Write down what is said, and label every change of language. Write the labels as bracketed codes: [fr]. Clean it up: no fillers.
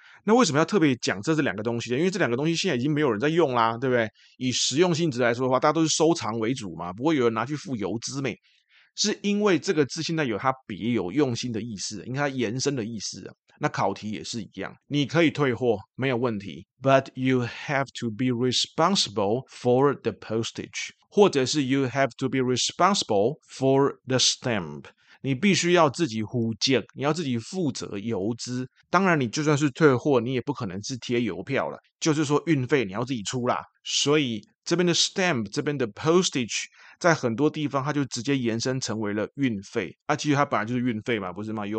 [zh] 那为什么要特别讲这两个东西呢？因为这两个东西现在已经没有人在用啦，对不对？以实用性质来说的话，大家都是收藏为主嘛，不会有人拿去付邮资没？是因为这个字现在有它别有用心的意思，因为它延伸的意思啊。那考题也是一样，你可以退货，没有问题。 [en] But you have to be responsible for the postage， [zh] 或者是 [en] you have to be responsible for the stamp。 [zh] 你必须要自己负责，你要自己负责邮资。当然你就算是退货，你也不可能是贴邮票了，就是说运费你要自己出啦。所以这边的 stamp， 这边的 postage， 在很多地方它就直接延伸成为了运费啊，其实它本来就是运费嘛，不是吗？